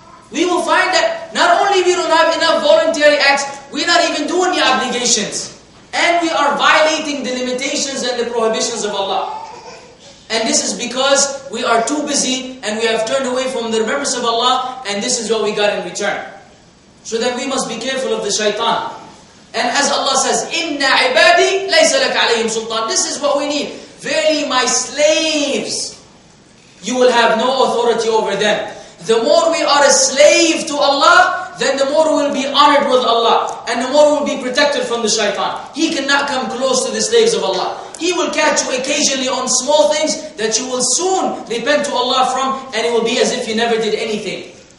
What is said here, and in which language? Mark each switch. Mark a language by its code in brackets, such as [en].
[en] We will find that not only we don't have enough voluntary acts, we're not even doing the obligations. And we are violating the limitations and the prohibitions of Allah. And this is because we are too busy and we have turned away from the remembrance of Allah, and this is what we got in return. So then we must be careful of the shaitan. [ar] And as Allah says, إِنَّ عِبَادِي لَيْسَ لَكَ عَلَيْهِمْ سُلْطَانٍ. [en] This is what we need. Verily my slaves, you will have no authority over them. The more we are a slave to Allah, then the more we'll be honored with Allah. And the more we'll be protected from the shaitan. He cannot come close to the slaves of Allah. He will catch you occasionally on small things that you will soon repent to Allah from, and it will be as if you never did anything.